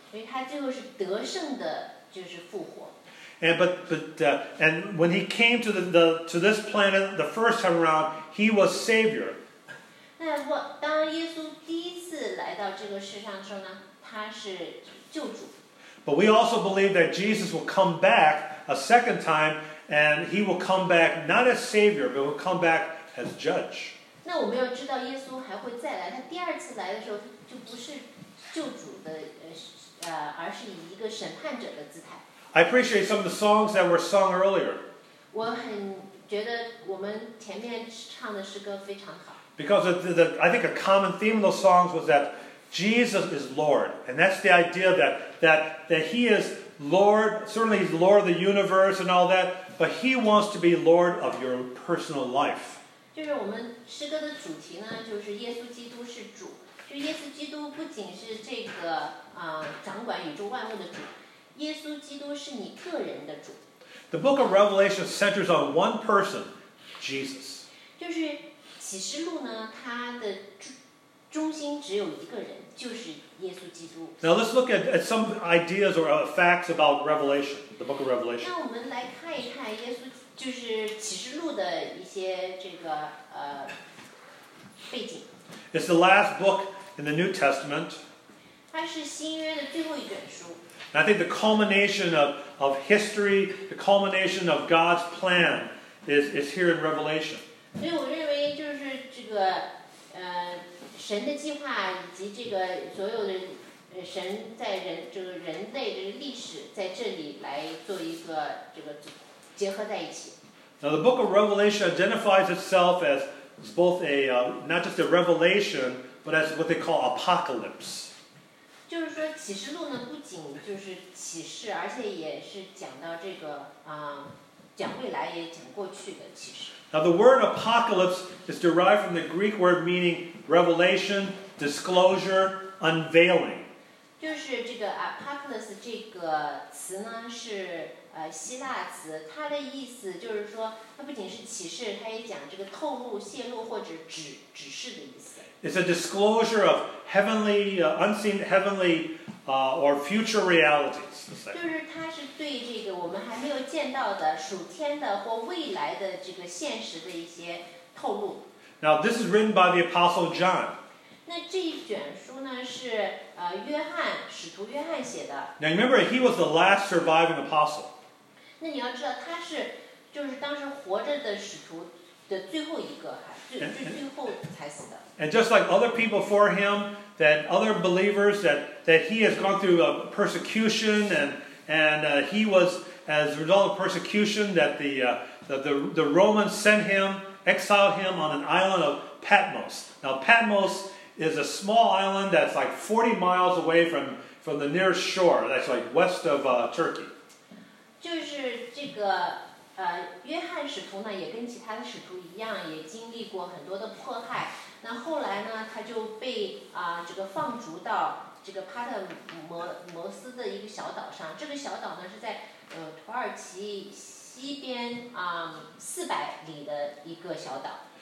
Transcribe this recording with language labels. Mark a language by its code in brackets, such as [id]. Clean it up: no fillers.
[zh] 他最后是得胜的，就是复活。 [en] And when he came to this planet the first time around, he was savior. [zh] 那我当耶稣第一次来到这个世上的时候呢，他是救主。 [en] But we also believe that Jesus will come back a second time, and he will come back not as savior, but will come back as judge. [zh] 那我们要知道耶稣还会再来，他第二次来的时候就不是救主的。而是以一个审判者的姿态。 [en] I appreciate some of the songs that were sung earlier. [zh] 我很觉得我们前面唱的诗歌非常好。 [en] Because I think a common theme of those songs was that Jesus is Lord. And that's the idea that he is Lord, certainly he's Lord of the universe and all that, but he wants to be Lord of your personal life. [zh] 就是我们诗歌的主题呢，就是耶稣基督是主。就耶稣基督不仅是这个掌管宇宙万物的主，耶稣基督是你个人的主。 [en] The book of Revelation centers on one person, Jesus. [zh] 就是启示录呢，它的中心只有一个人，就是耶稣基督。 [en] Now let's look at some ideas or facts about Revelation, the book of Revelation. [zh] 那我们来看一看耶稣，就是启示录的一些这个背景。 [en] It's the last book in the New Testament. [zh] 它是新约的最后一卷书。 [en] And I think the culmination of history, the culmination of God's plan is here in Revelation. [zh] 所以我认为就是这个神的计划以及这个所有的神在人这个人类的历史在这里来做一个这个结合在一起。 [en] Now the book of Revelation identifies itself as It's both a, not just a revelation, but as what they call apocalypse. [zh] 就是说启示录呢不仅就是启示而且也是讲到这个讲未来也讲过去的启示。 [en] Now the word apocalypse is derived from the Greek word meaning revelation, disclosure, unveiling. [zh] 就是这个 apocalypse 这个词呢是希腊词，它的意思就是说，它不仅是启示，它也讲这个透露、泄露或者指示的意思。 [en] It's a disclosure of heavenly, unseen heavenly, or future realities. [zh] 就是它是对这个我们还没有见到的属天的或未来的这个现实的一些透露。 [en] Now this is written by the Apostle John. [zh] 那这一卷书呢是约翰使徒约翰写的。 [en] Now remember, he was the last surviving apostle. [zh] 那你要知道他是就是当时活着的使徒的最后一个最后才死的。 [en] And just like other people before him, that other believers, that he has gone through a persecution and he was, as a result of persecution, that the Romans sent him, exiled him on an island of Patmos. Now Patmos is a small island that's like 40 miles away from the nearest shore, that's like west of Turkey. [zh] 就是这个约翰使徒呢也跟其他的使徒一样也经历过很多的迫害那后来呢他就被这个放逐到这个帕特摩斯的一个小岛上。这个小岛呢是在土耳其西边400里的一个小岛。